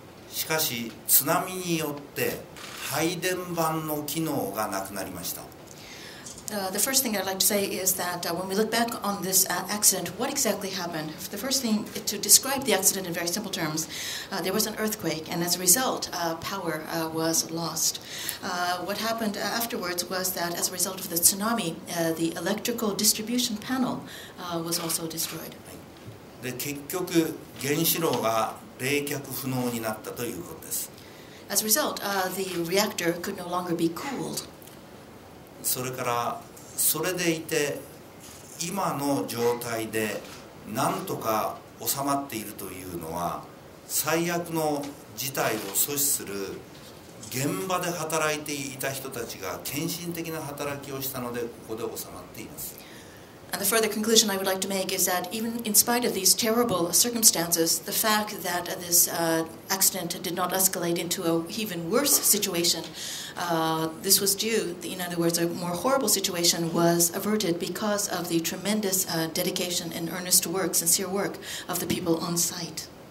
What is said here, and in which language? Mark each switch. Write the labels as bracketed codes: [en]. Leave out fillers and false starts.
[ja] しかし津波によって配電盤の機能がなくなりました。 [en] The first thing I'd like to say is that when we look back on this accident, what exactly happened? The first thing, to describe the accident in very simple terms, there was an earthquake, and as a result, power was lost. What happened afterwards was that as a result of the tsunami, the electrical distribution panel was also destroyed. [ja] で、結局、原子炉が冷却不能になったということです。 [en] As a result, the reactor could no longer be cooled. [ja] それからそれでいて今の状態でなんとか収まっているというのは最悪の事態を阻止する現場で働いていた人たちが献身的な働きをしたのでここで収まっています。 [en] And the further conclusion I would like to make is that even in spite of these terrible circumstances, the fact that this accident did not escalate into an even worse situation, this was due, in other words, a more horrible situation was averted because of the tremendous dedication and earnest work, sincere work of the people on site.